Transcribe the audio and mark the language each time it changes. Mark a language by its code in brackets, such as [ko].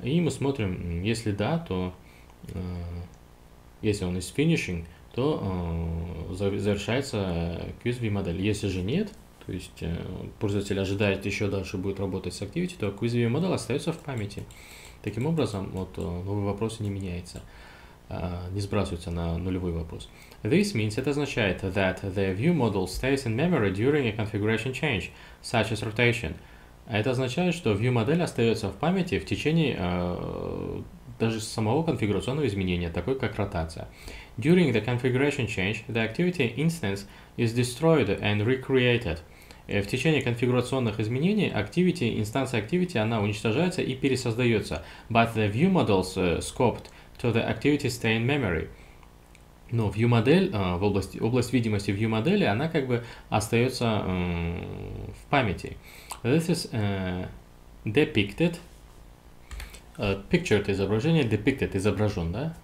[ru] И мы смотрим, если да, то если он [en] is finishing, [ru] то завершается quiz view model. Если же нет, то есть пользователь ожидает еще дальше будет работать с activity, то quiz view model остается в памяти. Таким образом, вот новый вопрос не меняется, не сбрасывается на нулевой вопрос. [en] This means, [ru] это означает, [en] that the view model stays in memory during a configuration change, such as rotation. [ru] Это означает, что ViewModel остается в памяти в течение даже самого конфигурационного изменения, такой как ротация. [en] During the configuration change, the activity instance is destroyed and recreated. [ru] В течение конфигурационных изменений activity, инстанция activity, она уничтожается и пересоздается. [en] But the view models scoped to the activity stay in memory. [ru] Но view model, область видимости view модели, она как бы остается в памяти. [en] This is depicted. Pictured, [ru] изображение, [en] depicted, [ru] изображен, да?